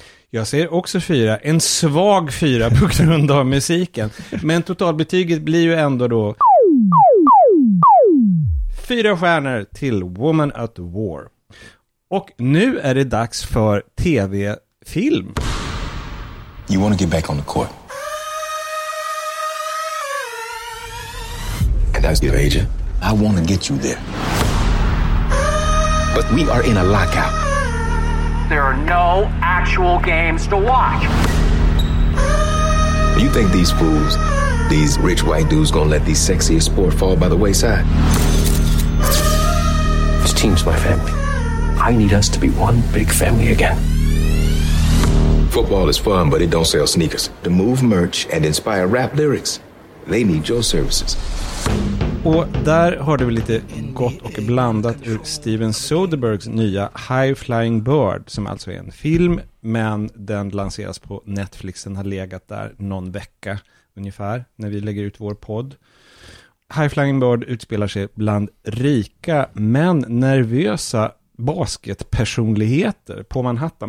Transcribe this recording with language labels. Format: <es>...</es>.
<sv>Jag säger också 4. En svag 4 på grund av musiken. Men totalbetyget blir ju ändå då 4 stjärnor till Woman at War. Och nu är det dags för TV-film.</sv> <en>You want to get back on the court. And that's your agent. I want to get you there. But we are in a lockout. There are no actual games to watch. You think these fools, these rich white dudes gonna let these sexiest sport fall by the wayside? This team's my family. I need us to be one big family again. Football is fun, but it don't sell sneakers. To move merch and inspire rap lyrics, they need your services.</en> <sv>Och där har du lite gott och blandat ur Steven Soderberghs nya High Flying Bird, som alltså är en film, men den lanseras på Netflix. Den har legat där någon vecka ungefär när vi lägger ut vår podd. High Flying Bird utspelar sig bland rika men nervösa basketpersonligheter på Manhattan.</sv>